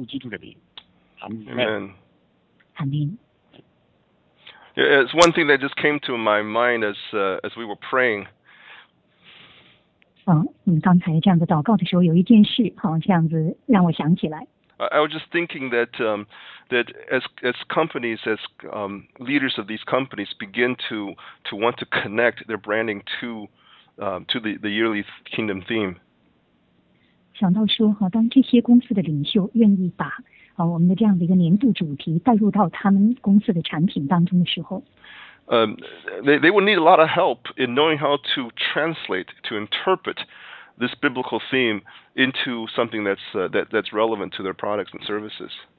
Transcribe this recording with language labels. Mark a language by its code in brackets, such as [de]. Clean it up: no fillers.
[zh] 在我们祷告、守望当中来分享的时候，你就亲自赐福，让我们在一同纪念、敬拜、称颂归给那做宝座的，奉耶稣基督的名，阿门。 [en] Amen. Yeah, it's one thing that just came to my mind as we were praying. [zh] 你刚才这样子祷告的时候，有一件事，这样子让我想起来。 [en] I was just thinking that that as companies, as leaders of these companies begin to want to connect their branding to the yearly kingdom theme. [zh] 想到说，当这些公司的领袖愿意把我们的这样的一个年度主题带入到他们公司的产品当中的时候， [en] they will need a lot of help in knowing how to translate, to interpret this biblical theme into something that's relevant to their products and services.